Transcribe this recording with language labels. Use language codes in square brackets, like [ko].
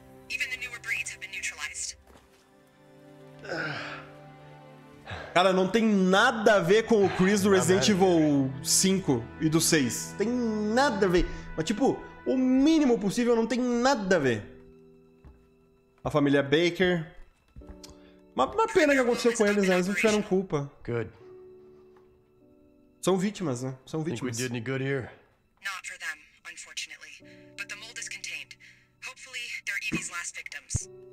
[en] Even the newer breeds have been neutralized. [pt] Cara, não tem nada a ver com o Chris do Resident Evil 5 e do 6. Tem nada a ver. Mas tipo, o mínimo possível não tem nada a ver. A família Baker. Uma pena que aconteceu com eles, né? Eles não tiveram culpa. [en] Good. [pt] São vítimas, né? São vítimas. [en] Think we did any good here? Not for them, unfortunately. But the mold is contained. Hopefully, they're Evie's last victims.